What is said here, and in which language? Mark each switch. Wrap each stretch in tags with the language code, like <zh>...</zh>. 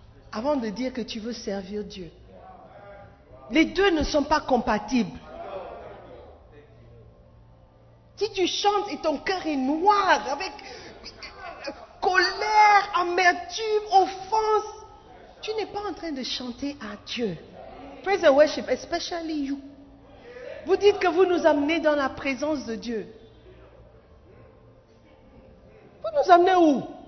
<fr>Avant de dire que tu veux servir Dieu. Les deux ne sont pas compatibles. Si tu chantes et ton cœur est noir avec colère, amertume, offense, tu n'es pas en train de chanter à Dieu.</fr> <en>Praise and worship, especially you.</en> <fr>Vous dites que vous nous amenez dans la présence de Dieu. Vous nous amenez où?</fr>